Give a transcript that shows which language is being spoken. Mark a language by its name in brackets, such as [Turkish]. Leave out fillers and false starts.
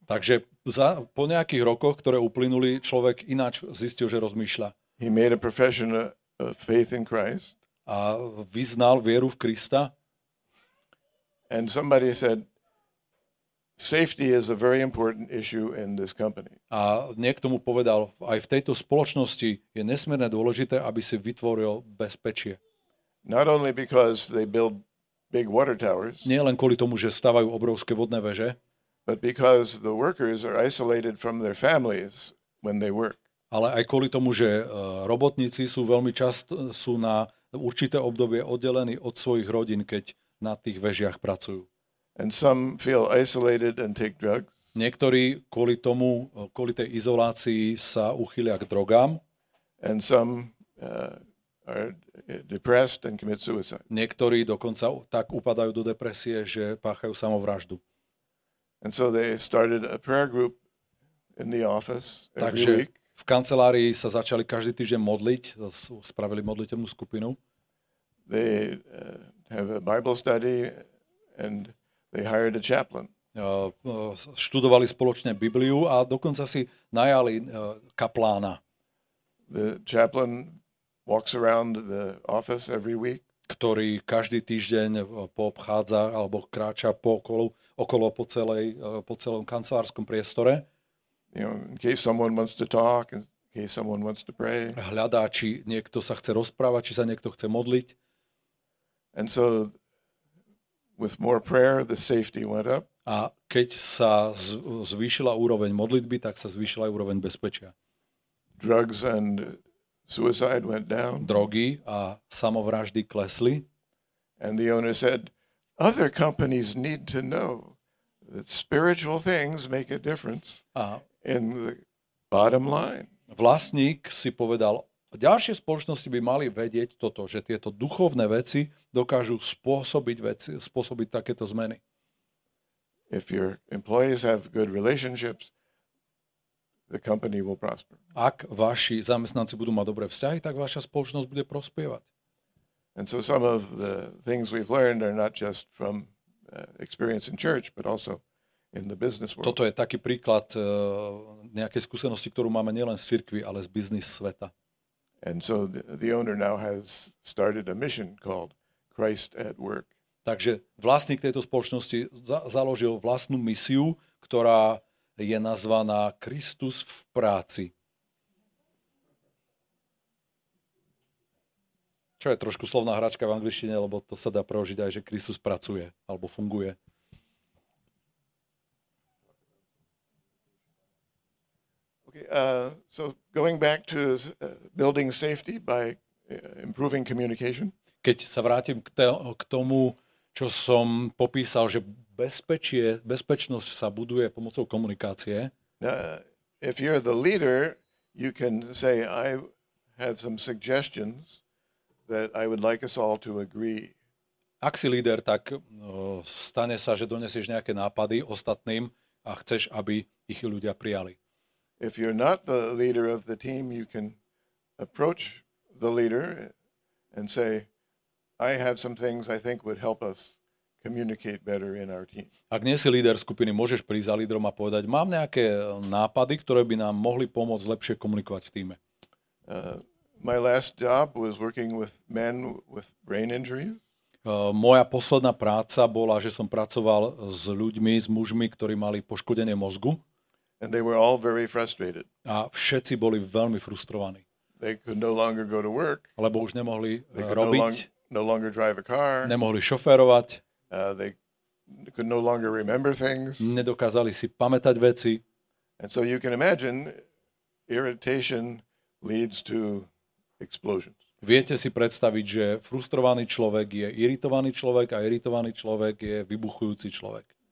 [Slovak] Takže po nejakých rokoch, ktoré uplynuli, človek ináč zistil, že rozmýšľa. [English] He made a profession of faith in Christ. [Slovak] A vyznal vieru v Krista. [English] And somebody said, safety is a very important issue in this company. [Slovak] A niekto mu povedal, aj v tejto spoločnosti je nesmierne dôležité, aby si vytvoril bezpečie. [English] Not only because they build big water towers. [Slovak] Nie len kvôli tomu, že stavajú obrovské vodné veže, [English] But because the workers are isolated from their families when they work. [Slovak] Ale aj kvôli tomu, že robotníci sú veľmi často sú na určité obdobie oddelení od svojich rodín, keď na tých vežiach pracujú. [English] And some feel isolated and take drugs. [Slovak] Niektorí kvôli tomu, kvôli tej izolácii sa uchýlia k drogám. [English] And some are depressed and commit suicide. [Slovak] Niektorí dokonca tak upadajú do depresie, že páchajú samovraždu. [English] And so they started a prayer group in the office every [Slovak] Takže [English] week. [Slovak] V kancelárii sa začali každý týždeň modliť, spravili modlitevnú skupinu. [English] They have a Bible study and they hired a chaplain. [Slovak] Študovali spoločne Bibliu a dokonca si najali kaplána. [English] The chaplain walks around the office every week, [Slovak] ktorý každý týždeň poobchádza alebo kráča okolo po celom kancelárskom priestore. [English] You know, in case someone wants to talk, in case someone wants to pray. [Slovak] Hľadá, či niekto sa chce rozprávať, či sa niekto chce modliť. [English] And so with more prayer, the safety went up. [Slovak] A keď sa zvýšila úroveň modlitby, tak sa zvýšila aj úroveň bezpečia. [English] Drugs and suicide went down. [Slovak] Drogy a samovraždy klesli. [English] And the owner said, other companies need to know that spiritual things make a difference. [Slovak] A [English] in the bottom line. [Slovak] Vlastník si povedal, ďalšie spoločnosti by mali vedieť toto, že tieto duchovné veci dokážu spôsobiť takéto zmeny. [English] If your employees have good relationships, the company will prosper. [Slovak] Ak vaši zamestnanci budú mať dobré vzťahy, tak vaša spoločnosť bude prospievať. [English] And so some of the things we've learned are not just from experience in church, but also in the business world. [Slovak] Toto je taký príklad nejakej skúsenosti, ktorú máme nielen z cirkvi, ale z biznis sveta. [English] And so the owner now has started a mission called Christ at Work. [Slovak] Takže vlastník tejto spoločnosti založil vlastnú misiu, ktorá je nazvaná Kristus v práci. Čo je trošku slovná hračka v angličtine, lebo to sa dá preložiť aj, že Kristus pracuje alebo funguje. [English] Okay, so going back to building safety by improving communication. [Slovak] Keď sa vrátim k tomu, čo som popísal, že bezpečnosť sa buduje pomocou komunikácie. [English] If you're the leader, you can say I have some suggestions that I would like us all to agree. [Slovak] Ak si líder, tak stane sa, že donesieš nejaké nápady ostatným a chceš, aby ich ľudia prijali. [English] If you're not the leader of the team, you can approach the leader and say I have some things I think would help us communicate better in our team. [Slovak] Ak nie si líder skupiny, môžeš prísť za lídrom a povedať, mám nejaké nápady, ktoré by nám mohli pomôcť lepšie komunikovať v tíme. [English] My last job was working with men with brain injuries. [Slovak] Moja posledná práca bola, že som pracoval s ľuďmi, s mužmi, ktorí mali poškodenie mozgu. [English] And they were all very frustrated. [Slovak] A všetci boli veľmi frustrovaní. [English] They could no longer go to work. [Slovak] Lebo už nemohli robiť. [English] No longer drive a car. [Slovak] Nemohli šoférovať. [English] They could no longer remember things. [Slovak] Nedokázali si pamätať veci. [English] And so you can imagine irritation leads to explosions. [Slovak] Viete si predstaviť, že frustrovaný človek je iritovaný človek a iritovaný človek je vybuchujúci človek.